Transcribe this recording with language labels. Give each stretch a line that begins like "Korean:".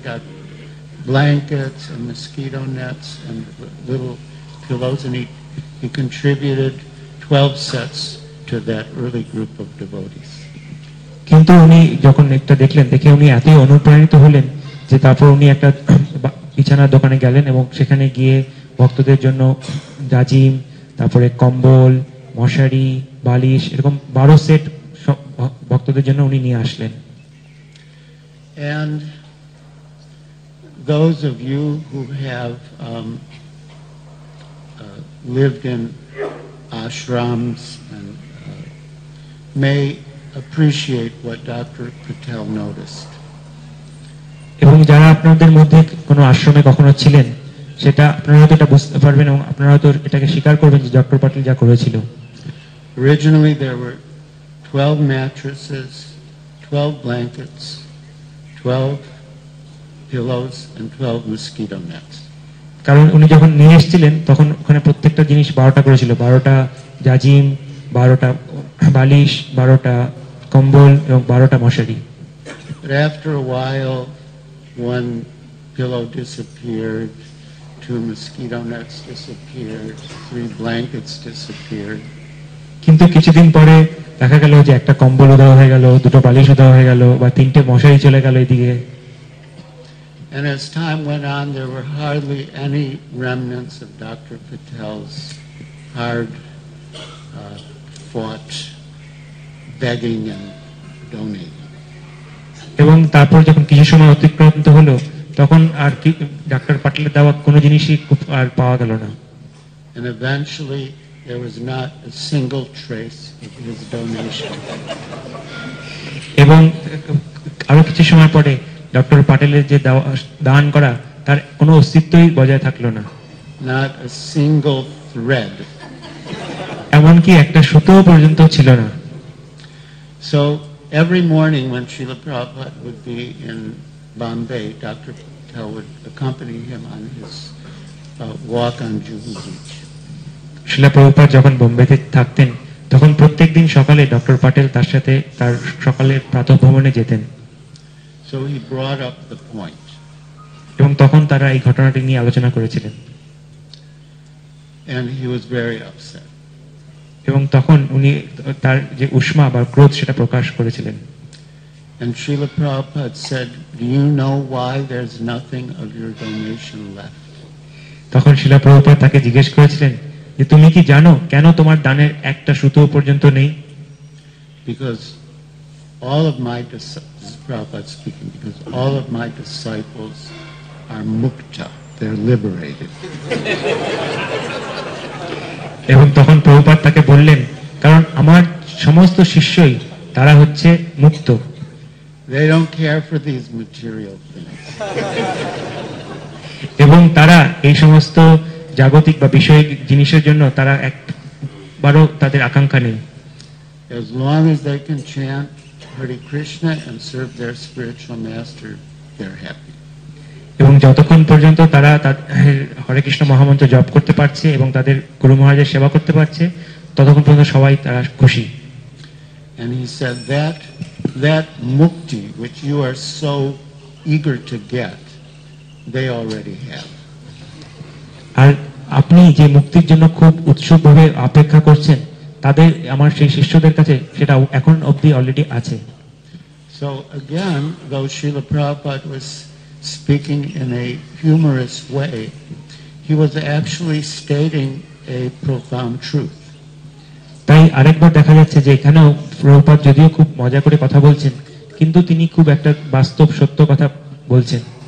English: He got blankets and mosquito nets and little pillows, and he contributed 12 sets to that early group of devotees.
Bangla: কিন্তু উনি যখন একটা দেখলেন, দেখে উনি এতই অনুপ্রাণিত হলেন যে তারপর উনি একটা বিছানার দোকানে গেলেন এবং সেখানে গিয়ে ভক্তদের জন্য জাজিম, তারপরে কম্বল, মশারি, বালিশ এরকম 12 সেট ভক্তদের জন্য উনি নিয়ে আসলেন।
English: And those of you who have lived in ashrams and may appreciate what Dr. Patel noticed.
Bangla: এবং যারা আপনাদের মধ্যে কোনো আশ্রমে কখনো ছিলেন সেটা আপনারা হয়তো এটা বুঝতে পারবেন এবং আপনারা হয়তো এটাকে স্বীকার করবেন যে ডক্টর পাটিল যা করেছিল।
English: Originally there were 12 mattresses, 12 blankets, 12 pillows and 12 mosquito nets.
Bangla: কারণ উনি যখন নিয়ে এসেছিলেন তখন ওখানে প্রত্যেকটা জিনিস 12টা করেছিল, 12টা জাজিম, 12টা বালিশ, 12টা কম্বল এবং 12টা মশারি।
English: But after a while, one pillow disappeared, two mosquito nets disappeared, three blankets disappeared.
Bangla: কিন্তু কিছুদিন পরে দেখা গেল যে একটা কম্বল উধাও হয়ে গেল, দুটো বালিশ উধাও হয়ে গেল বা তিনটে মশারি চলে গেল এদিকে।
English: And as time went on, there were hardly any remnants of Dr. Patel's hard fought begging and donating.
Bangla: এবং তারপর যখন কিছু সময় অতিক্রান্ত হলো তখন আর কি ডাক্তার পাটেলের দেওয়া কোনো জিনিসই আর পাওয়া গেল না।
English: And eventually there was not a single trace of his donation.
Bangla: এবং আরো কিছু সময় পরে ডক্টর পাটেলের যে দান করা তার কোনো অস্তিত্বই বজায় থাকলো না।
English: Not a single thread.
Bangla: এমনকি একটা সুতো পর্যন্ত ছিল না।
English: So every morning when Srila Prabhupada would be in Bombay, Dr. Patel would accompany him on his walk on Juhu Beach.
Bangla: Srila Prabhupada যখন বোম্বেতে থাকতেন তখন প্রত্যেকদিন সকালে ডক্টর পাটেল তার সাথে তার সকালের প্রাতঃ ভ্রমণে যেতেন।
English: So he brought up the point.
Bangla: এবং তখন তারা এই ঘটনাটি নিয়ে আলোচনা করেছিলেন।
English: And he was very upset.
Bangla: এবং তখন উনি তার যে উষ্মা বা ক্রোধ সেটা প্রকাশ করেছিলেন।
English: And Srila Prabhupada said, do you know why there's nothing of your donation left?
Bangla: তখন Srila Prabhupada তাকে জিজ্ঞেস করেছিলেন যে তুমি কি জানো কেন তোমার দানের একটা সুতো পর্যন্ত নেই?
English: Because all of my disciples, Prabhupada speaking, because all of my disciples are mukta, they're liberated.
Bangla: এবং তখন প্রভুপাদ তাকে বললেন কারণ আমার সমস্ত শিষ্যই তারা হচ্ছে মুক্ত,
English: they don't care for these material things.
Bangla: এবং তারা এই সমস্ত জাগতিক বা বিষয়ক জিনিসের জন্য তারা একবারও তাদের আকাঙ্ক্ষা নেই।
English: As long as they can chant Hare Krishna and serve their spiritual master, they're happy.
Bangla: এবং যতক্ষণ পর্যন্ত তারা তাদের হরে কৃষ্ণ মহামন্ত্র জপ করতে পারছে এবং তাদের গুরু মহারাজের সেবা করতে পারছে ততক্ষণ পর্যন্ত সবাই তারা খুশি।
English: And he said that that mukti which you are so eager to get they already have.
Bangla: আর আপনি যে মুক্তির জন্য খুব উৎসুকভাবে অপেক্ষা করছেন তাদের আমার সেই শিষ্যদের কাছে সেটা এখন অবধি অলরেডি আছে।
English: So again though Srila Prabhupada was speaking in a humorous way, he was actually stating a profound truth.
Bangla: তাই আরেকবার দেখা যাচ্ছে যে এখানেও প্রভুপাদ যদিও খুব মজা করে কথা বলছেন কিন্তু তিনি খুব একটা বাস্তব সত্য কথা বলছেন।